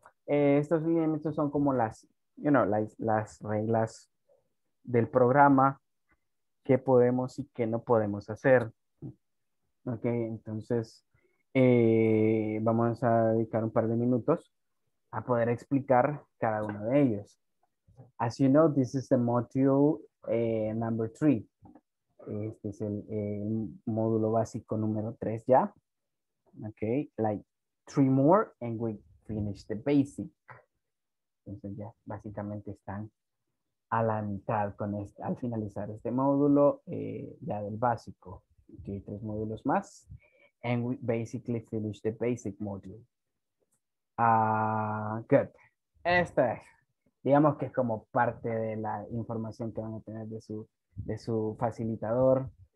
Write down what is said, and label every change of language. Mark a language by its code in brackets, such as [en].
[es] Estos lineamientos son como las, [en] you know, [es] las reglas del programa que podemos y que no podemos hacer. Ok, entonces vamos a dedicar un par de minutos a poder explicar cada uno de ellos. [en] As you know, this is the module number 3. [es] Este es el módulo básico número 3 ya. [en] Okay, like 3 more and we finish the basic. [es] Entonces ya básicamente están a la mitad con este, al finalizar este módulo ya del básico. [en] Okay, 3 [es] módulos más [en] and we basically finish the basic module. [es] Good. Esta es, digamos que es como parte de la información que van a tener de su facilitador.